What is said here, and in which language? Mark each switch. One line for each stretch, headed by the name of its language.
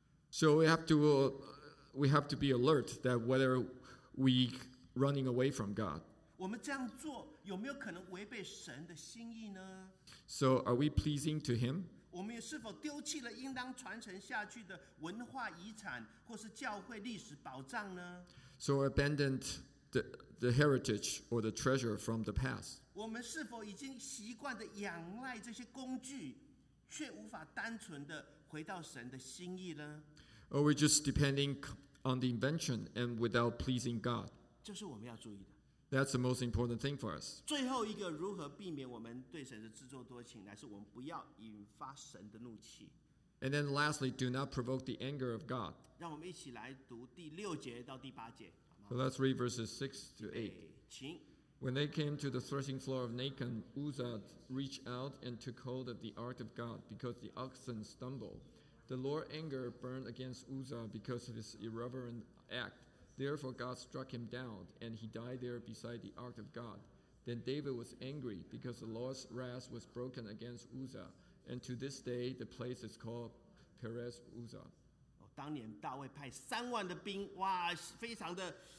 English: ？So we have to be alert that whether we running away from God.
Chinese: 我们这样做有没有可能违背神的心意呢
English: ？So are we pleasing to Him？
Chinese: 我们是否丢弃了应当传承下去的文化遗产或是教会历史宝藏呢
English: ？So abandoned。 The heritage or the treasure from the past.
Chinese: 我们是否已经习惯的仰赖这些工具，却无法单纯地回到神的心意呢?
English: Or we're just depending on the invention and without pleasing God.
Chinese: 这是我们要注意的。
English: That's the most important thing for us.
Chinese: 最后一个如何避免我们对神的自作多情，乃是我们不要引发神的怒气。
English: And then lastly, do not provoke the anger of God.
Chinese: 让我们一起来读第六节到第八节。
English: So let's read verses 6 to 8.
Chinese: 请。
English: When they came to the threshing floor of Nacon, Uzzah reached out and took hold of the ark of God because the oxen stumbled. The Lord's anger burned against Uzzah because of his irreverent act. Therefore God struck him down, and he died there beside the ark of God. Then David was angry because the Lord's wrath was broken against Uzzah, and to this day the place is called Perez Uzzah.
Chinese: 当年大卫派三万的兵，哇，非常的。